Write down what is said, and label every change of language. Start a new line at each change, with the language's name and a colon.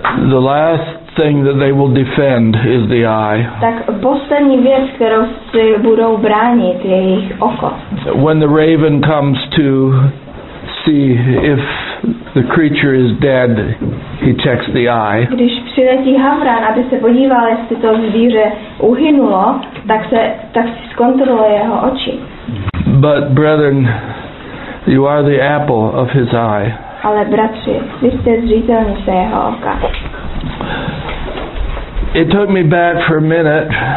English: the last thing that they will defend is the eye.
Czech: Tak poslední věc, kterou si budou bránit, je jejich oko.
English: When the raven comes to see if the creature is dead, he checks the eye.
Czech: Když přiletí havran, aby se podíval, jestli to zvíře uhynulo, tak si zkontroluje jeho oči.
English: But brethren, you are the apple of his eye.
Czech: Ale bratři, vy jste zřítelnice jeho oka.
English: It took me back for a minute.